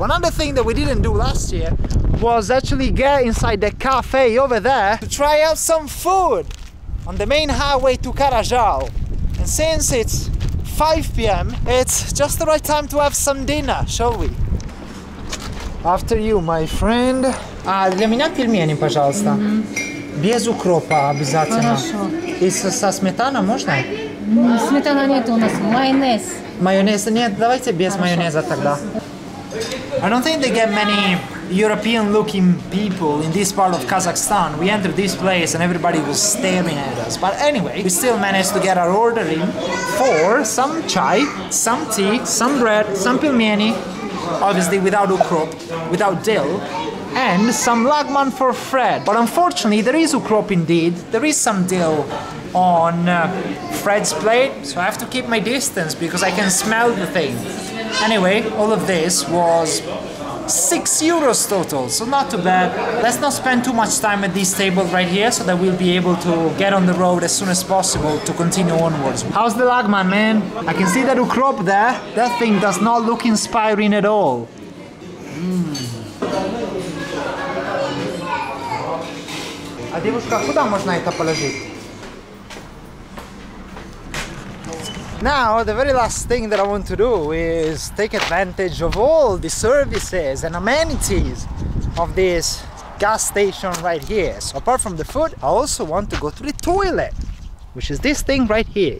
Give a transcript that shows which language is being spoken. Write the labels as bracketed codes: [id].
[en] One other thing that we didn't do last year was actually get inside the cafe over there to try out some food on the main highway to Karajal. And since it's 5 p.m., it's just the right time to have some dinner, shall we? After you, my friend. [ru] А для меня пельмени, пожалуйста. Без укропа обязательно. Хорошо. И со сметаной можно? Сметана нет у нас, майонез. Майонез, нет, давайте без майонеза тогда. [en] I don't think they get many European-looking people in this part of Kazakhstan. We entered this place and everybody was staring at us. But anyway, we still managed to get our order in for some chai, some tea, some bread, some pelmeni, obviously without ukrop, without dill, and some lagman for Fred. But unfortunately, there is ukrop indeed. There is some dill on Fred's plate, so I have to keep my distance because I can smell the thing. Anyway, all of this was 6 euros total, so not too bad. Let's not spend too much time at this table right here so that we'll be able to get on the road as soon as possible to continue onwards. How's the lagman, man? I can see that ukrop there. That thing does not look inspiring at all. [ru] А девушка, куда можно это положить? [en] Now, the very last thing that I want to do is take advantage of all the services and amenities of this gas station right here. So apart from the food, I also want to go to the toilet, which is this thing right here.